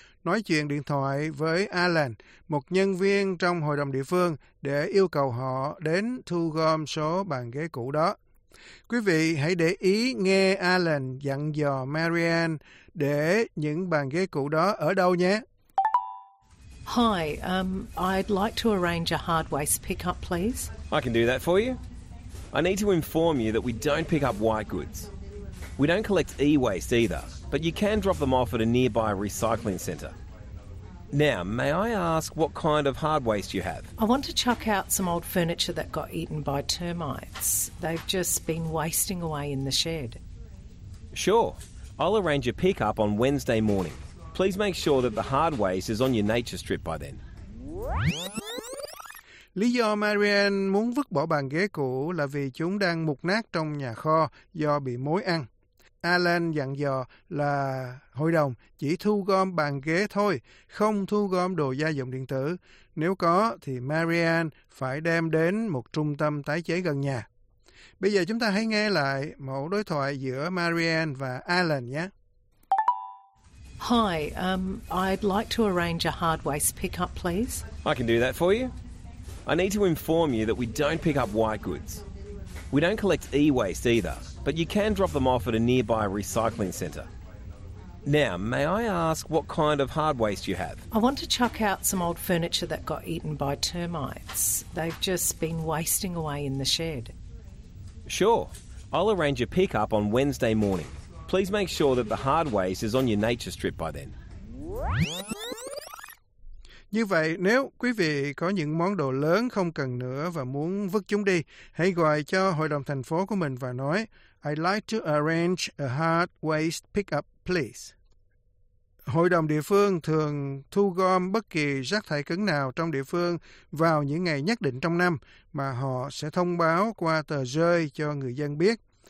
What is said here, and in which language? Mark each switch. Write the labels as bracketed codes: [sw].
[vi] Nói chuyện điện thoại với Alan, một nhân viên trong hội đồng địa phương, để yêu cầu họ đến thu gom số bàn ghế cũ đó. Quý vị hãy để ý nghe Alan dặn dò Marianne để những bàn ghế cũ đó ở đâu nhé. [en] Hi, I'd like to arrange a hard waste pickup, please. I can do that for you. I need to inform you that we don't pick up white goods. We don't collect e-waste either, but you can drop them off at a nearby recycling centre. Now, may I ask what kind of hard waste you have? I want to chuck out some old furniture that got eaten by termites. They've just been wasting away in the shed. Sure. I'll arrange a pickup on Wednesday morning. Please make sure that the hard waste is on your nature strip by then. [vi] Lý do Marianne muốn vứt bỏ bàn ghế cũ là vì chúng đang mục nát trong nhà kho do bị mối ăn. Alan dặn dò là hội đồng chỉ thu gom bàn ghế thôi, không thu gom đồ gia dụng điện tử. Nếu có thì Marianne phải đem đến một trung tâm tái chế gần nhà. Bây giờ chúng ta hãy nghe lại mẫu đối thoại giữa Marianne và Alan nhé. [en] Hi, I'd like to arrange a hard waste pickup, please. I can do that for you. I need to inform you that we don't pick up white goods. We don't collect e-waste either, but you can drop them off at a nearby recycling centre. Now, may I ask what kind of hard waste you have? I want to chuck out some old furniture that got eaten by termites. They've just been wasting away in the shed. Sure. I'll arrange a pickup on Wednesday morning. Please make sure that the hard waste is on your nature strip by then. [vi] Như vậy, nếu quý vị có những món đồ lớn không cần nữa và muốn vứt chúng đi, hãy gọi cho hội đồng thành phố của mình và nói, I'd like to arrange a hard waste pickup, please. Hội đồng địa phương thường thu gom bất kỳ rác thải cứng nào trong địa phương vào những ngày nhất định trong năm mà họ sẽ thông báo qua tờ rơi cho người dân biết.